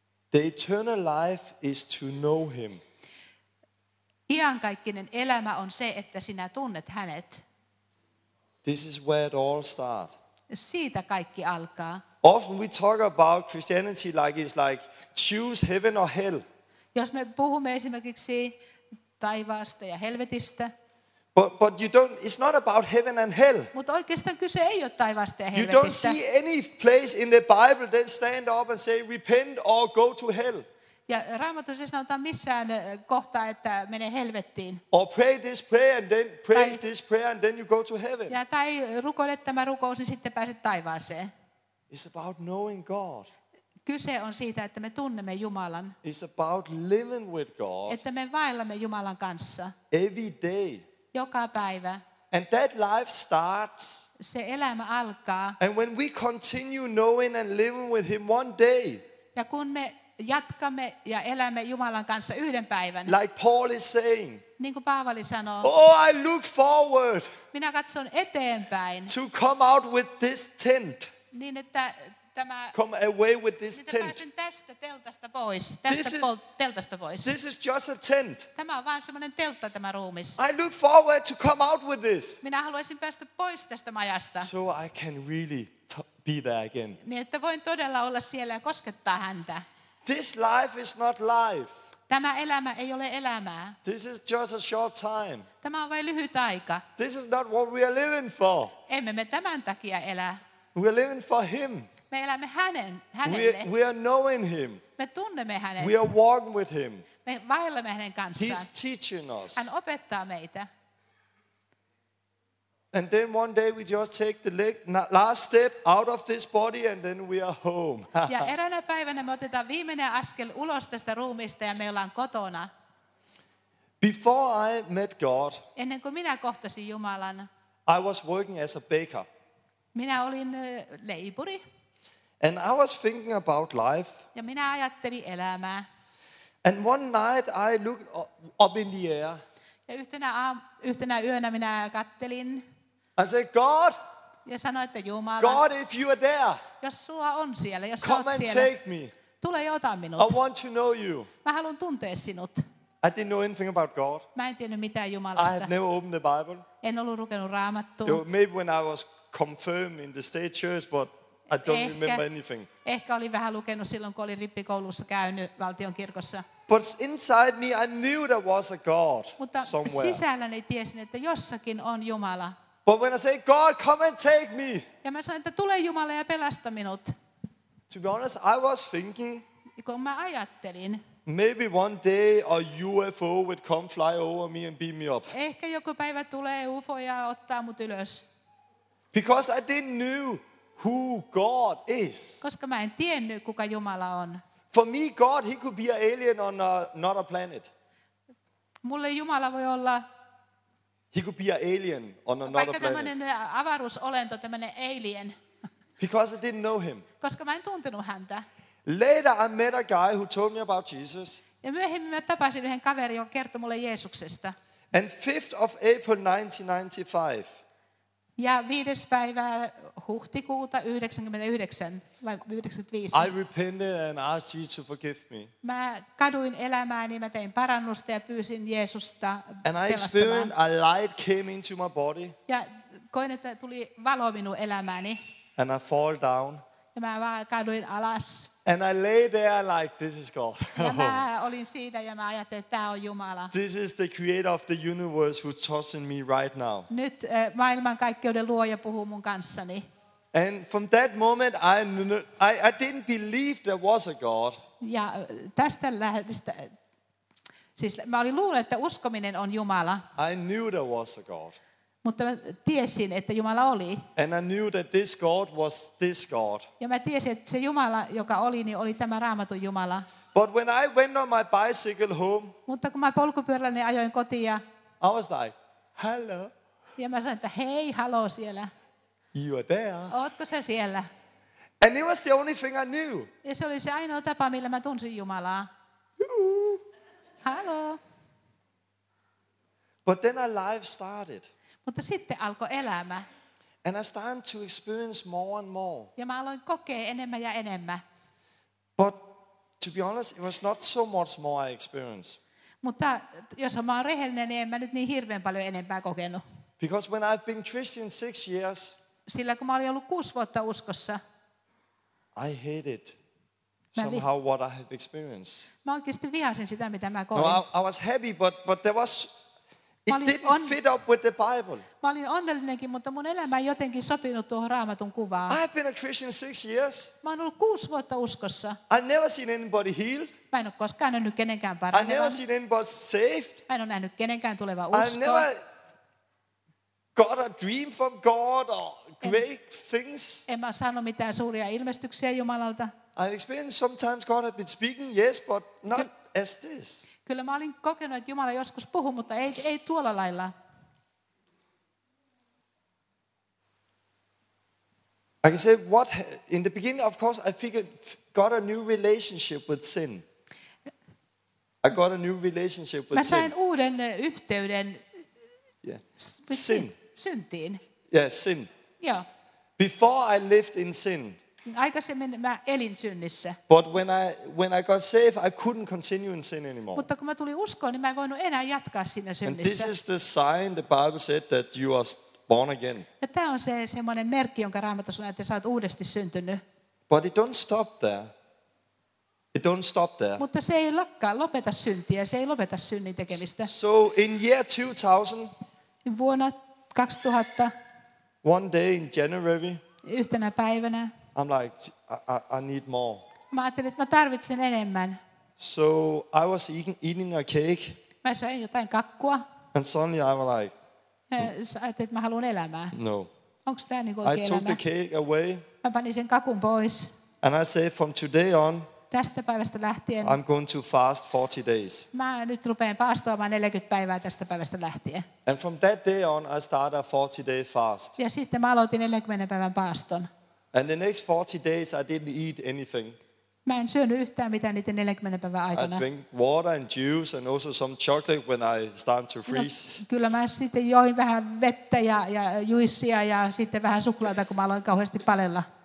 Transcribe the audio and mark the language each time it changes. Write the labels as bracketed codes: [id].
[en] The eternal life is to know him. [fi] Iankaikkinen elämä on se, että sinä tunnet hänet. [en] This is where it all starts. [fi] Siitä kaikki alkaa. [en] Often we talk about Christianity like it's like choose heaven or hell. [fi] Jos me puhumme esimerkiksi taivaasta ja helvetistä. [en] But you don't, it's not about heaven and hell. [fi] Mutta oikeastaan kyse ei ole taivaasta ja helvetistä. [en] You don't see any place in the Bible that stand up and say repent or go to hell. [fi] Ja Raamatussa ei sanota missään kohtaa, että mene helvettiin. [en] Or pray this prayer and then pray this prayer and then you go to heaven. [fi] Ja tai rukoile tämä rukous, niin sitten pääset taivaaseen. [en] It's about knowing God. [fi] Kyse on siitä, että me tunnemme Jumalan. [en] It's about living with God. [fi] Että me vaellamme Jumalan kanssa. [en] Every day. [fi] Joka päivä. [en] And that life starts. [fi] Se elämä alkaa. [en] And when we continue knowing and living with him one day. [fi] Ja kun me jatkamme ja elämme Jumalan kanssa yhden päivän. [en] Like Paul is saying. [fi] Niin kuin Paavali sanoo. [en] Oh, I look forward. [fi] Minä katson eteenpäin. [en] To come out with this tent. [fi] Niin että tämä [en] come away with this [fi] niin [en] tent. [fi] Pääsen tästä teltasta pois. Tästä teltasta pois. [en] This is just a tent. [fi] Tämä on vain semmoinen teltta tämä ruumis. [en] I look forward to come out with this. [fi] Minä haluaisin päästä pois tästä majasta. [en] So I can really be there again. [fi] Niin että voin todella olla siellä ja koskettaa häntä. [en] This life is not life. [fi] Tämä elämä ei ole elämää. [en] This is just a short time. [fi] Tämä on vain lyhyt aika. [en] This is not what we are living for. [fi] Emme me tämän takia elää. [en] We're living for him. [fi] Me elämme hänelle. [en] We are knowing him. [fi] Me tunnemme hänet. [en] We are walking with him. [fi] Me vaellamme hänen kanssaan. [en] He's teaching us. [fi] Hän opettaa meitä. [en] And then one day we just take the last step out of this body and then we are home. [fi] Ja eräänä päivänä me otetaan viimeinen askel ulos tästä ruumista ja me ollaan kotona. [en] Before I met God. [fi] Ennen kuin minä kohtasin Jumalan. [en] I was working as a baker. [fi] Minä olin leipuri. [en] And I was thinking about life. [fi] Ja minä ajattelin elämää. [en] And one night I looked up in the air. [fi] Ja yhtenä yönä minä kattelin. [en] I said, God. [fi] Ja sanoin, että Jumala. [en] God, if you are there. [fi] Jos sua on siellä, jos sä oot siellä. [en] Come and take me. [fi] Tule ja ota minut. [en] I want to know you. [fi] Mä haluan tuntea sinut. [en] I didn't know anything about God. [fi] Mä en tiennyt mitään Jumalasta. [en] I had never opened the Bible. [fi] En ollut lukenut Raamattua. [en] Maybe when I was confirm in the state church, but I don't ehkä, remember anything. [fi] Ehkä olin vähän lukenut silloin, kun olin rippikoulussa käynyt valtion kirkossa. [en] But inside me, I knew there was a God [fi] mutta [en] somewhere. [fi] Mutta sisälläni tiesin, että jossakin on Jumala. [en] But when I say, God, come and take me. [fi] Ja mä sanoin, että tule Jumala ja pelasta minut. [en] To be honest, I was thinking. [fi] Kun mä ajattelin. [en] Maybe one day a UFO would come fly over me and beam me up. [fi] Ehkä joku päivä tulee UFO ja ottaa mut ylös. [en] Because I didn't know who God is. [fi] Koska mä en tiennyt, kuka Jumala on. [en] For me, God, he could be an alien on another planet. [fi] Mulle Jumala voi olla. [en] He could be an alien on another planet. [fi] Vaikka tämmöinen avaruusolento, tämmöinen alien. [en] Because I didn't know him. [fi] Koska mä en tuntenut häntä. [en] Later, I met a guy who told me about Jesus. [fi] Ja myöhemmin mä tapasin yhden kaverin, joka kertoi mulle Jeesuksesta. [en] And 5th of April 1995. [fi] Ja 5. päivä huhtikuuta 1995. [en] I repented and asked Jesus to forgive me. [fi] Mä kaduin elämääni, mä tein parannusta ja pyysin Jeesusta pelastamaan. [en] And I experienced a light came into my body. [fi] Ja koin, että tuli valo minun elämääni. [en] And I fall down. [fi] Ja mä vaan kaduin alas. [en] And I lay there like, this is God. [fi] Ja mä olin siinä ja mä ajattelin, että tää on Jumala. [en] This is the creator of the universe who talks in me right now. [fi] Nyt maailmankaikkeuden luoja puhuu mun kanssani. [en] And from that moment I didn't believe there was a God. [fi] Ja tästä lähdestä, siis mä olin luullut, että uskominen on Jumala. [en] I knew there was a God. [fi] Mutta mä tiesin, että Jumala oli. [en] And I knew that this God was this God. [fi] Ja mä tiesin, että se Jumala, joka oli, niin oli tämä Raamatun Jumala. [en] But when I went on my bicycle home, [fi] mutta kun mä polkupyörälläni ajoin kotiin ja [en] I was like, hello. [fi] Ja mä sanoin, että hei, hallo siellä. [en] You are there. [fi] Ootko sä siellä? [en] And it was the only thing I knew. [fi] Ja se oli se ainoa tapa, millä mä tunsin Jumalaa. Hallo. [en] But then our life started. [fi] Mutta sitten alkoi elämä. [en] And I started to experience more and more. [fi] Ja mä aloin kokea enemmän ja enemmän. [en] But to be honest, it was not so much more I experienced. [fi] Mutta jos mä oon rehellinen, niin en mä nyt niin hirveän paljon enempää kokenut. [en] Because when I've been Christian 6 years, [fi] sillä kun mä olin ollut 6 vuotta uskossa, [en] I hated somehow what I have experienced. [fi] Mä oikeasti vihasin sitä, mitä mä koin. [en] No, I was happy, but there was it didn't fit up with the Bible. [fi] Mä olin onnellinenkin, mutta mun elämä ei jotenkin sopinut tuohon Raamatun kuvaan. [en] I've been a Christian 6 years. [fi] Mä olen ollut 6 vuotta uskossa. [en] I've never seen anybody healed. [fi] Mä en ole koskaan nähnyt kenenkään paranevan. [en] I've never seen anybody saved. [fi] Mä en ole nähnyt kenenkään tulevan uskoon. [en] I've never got a dream from God or great things. [fi] En mä saanut mitään suuria ilmestyksiä Jumalalta. [en] I've experienced sometimes God has been speaking, yes, but not as this. [fi] Kyllä mä olin kokenut, että Jumala joskus puhuu, mutta ei tuolla lailla. [en] I can say what in the beginning, of course, I figured got a new relationship with sin. I got a new relationship with sin. [fi] Mä sain uuden yhteyden. [en] Yeah. Sin. [fi] Syntiin. [en] Yeah, sin. [fi] Joo. [en] Before I lived in sin. [fi] Aikaisemmin mä elin synnissä. [en] But when I got saved, I couldn't continue in sin anymore. [fi] Mutta kun mä tulin uskoon, niin mä en voinut enää jatkaa siinä synnissä. [en] And this is the sign the Bible said that you are born again. [fi] Ja tää on se semmoinen merkki, jonka Raamattu sanoo, että sä oot uudesti syntynyt. [en] But it don't stop there. It don't stop there. [fi] Mutta se ei lakkaa, lopeta syntiä, se ei lopeta synnin tekemistä. [en] So in year 2000. [fi] Vuonna 2000. [en] One day in January. [fi] Yhtenä päivänä. [en] I'm like, I need more. [fi] Mä ajattelin, että mä tarvitsen enemmän. [en] So I was eating a cake. [fi] Mä söin jotain kakkua. [en] And suddenly I'm like, [fi] ajattelin, että mä haluan elämää. [en] No. [fi] Onks tää niinku oikein elämä? [en] I took the cake away. [fi] Mä panin sen kakun pois. [en] And I say, from today on, [fi] tästä päivästä lähtien, [en] I'm going to fast 40 days. [fi] Mä nyt rupean paastoamaan 40 päivää tästä päivästä lähtien. [en] And from that day on, I start a 40-day fast. [fi] Ja sitten mä aloitin 40 päivän paaston. [en] And the next 40 days I didn't eat anything. [fi] Mä en syönyt yhtään mitään niiden 40 päivän aikana. [en] I drink water and juice and also some chocolate when I start to freeze. [fi] No, kyllä mä sitten join vähän vettä ja juissia ja sitten vähän suklaata, kun mä aloin kauheasti palella.